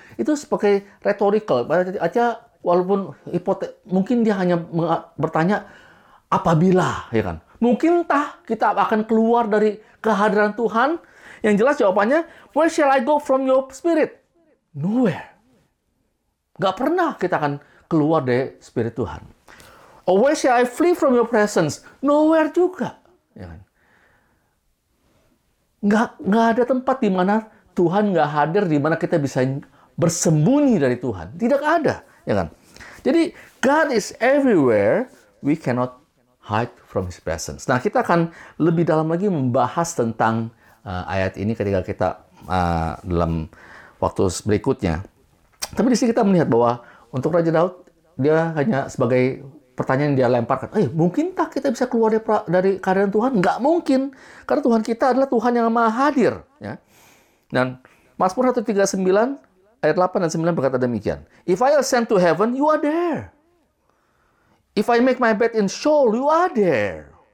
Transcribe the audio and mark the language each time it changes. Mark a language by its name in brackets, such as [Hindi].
[Indonesian] Itu sebagai rhetorical. Artinya, walaupun mungkin dia hanya bertanya, apabila, ya kan? Mungkintah kita akan keluar dari kehadiran Tuhan? Yang jelas jawabannya, [English] where shall I go from your spirit? Nowhere. [Indonesian] Gak pernah kita akan keluar dari spirit Tuhan. [English] Or where shall I flee from your presence? [Indonesian] Nowhere juga. Gak ada tempat di mana Tuhan gak hadir, di mana kita bisa bersembunyi dari Tuhan. Tidak ada. Ya kan? Jadi, [English] God is everywhere. We cannot hide from his presence. [Indonesian] Nah, kita akan lebih dalam lagi membahas tentang ayat ini ketika kita dalam waktu berikutnya. Tapi di sini kita melihat bahwa untuk Raja Daud, dia hanya sebagai pertanyaan yang dia lemparkan. Eh, mungkinkah kita bisa keluar dari keadaan Tuhan? Nggak mungkin. Karena Tuhan kita adalah Tuhan yang Maha Hadir. Ya. Dan Mazmur 139, ayat 8 dan 9 berkata demikian. [English] If I ascend to heaven, you are there. If I make my bed in Sheol, you are there.